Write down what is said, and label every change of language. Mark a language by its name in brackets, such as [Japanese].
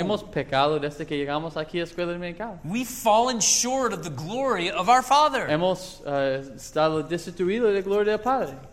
[Spanish] Hemos pecado desde que llegamos aquí a escuela dominical. [English] We've fallen short of the glory of our Father. [Spanish] Hemos estado destituido de la gloria del Padre.